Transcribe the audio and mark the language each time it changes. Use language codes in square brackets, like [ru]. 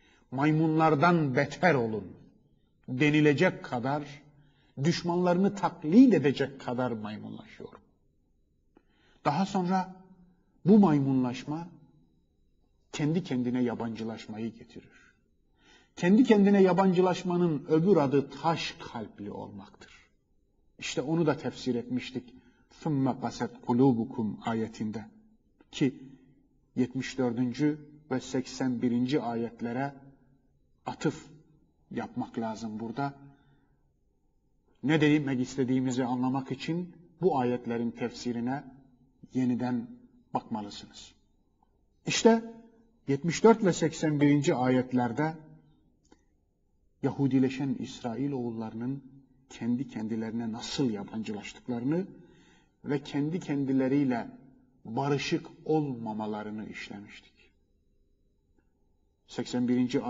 [tr] Maymunlardan beter olun denilecek kadar, düşmanlarını taklit edecek kadar maymunlaşıyor. Daha sonra bu maymunlaşma kendi kendine yabancılaşmayı getirir. Kendi kendine yabancılaşmanın öbür adı taş kalpli olmaktır. İşte onu da tefsir etmiştik. [ar] ثُمَّ قَسَتْ قُلُوبُكُمْ [tr] ayetinde. Ki 74. ve 81. ayetlere atıf yapmak lazım burada. Ne demek istediğimizi anlamak için bu ayetlerin tefsirine yeniden bakmalısınız. İşte 74 ve 81. ayetlerde Yahudileşen İsrail oğullarının kendi kendilerine nasıl yabancılaştıklarını ve kendi kendileriyle barışık olmamalarını işlemiştik. 81.